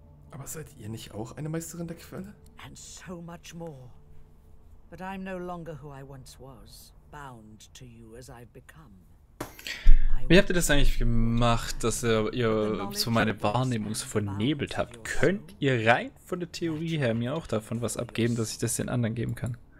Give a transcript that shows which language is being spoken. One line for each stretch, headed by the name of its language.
German: Aber seid ihr nicht auch eine Meisterin der Quelle?
English: And so much more. But I'm no longer who I once was, bound to you as I've become.
German: Wie habt ihr das eigentlich gemacht, dass ihr so meine Wahrnehmung so vernebelt habt? Könnt ihr rein von der Theorie her mir auch davon was abgeben, dass ich das den anderen geben kann?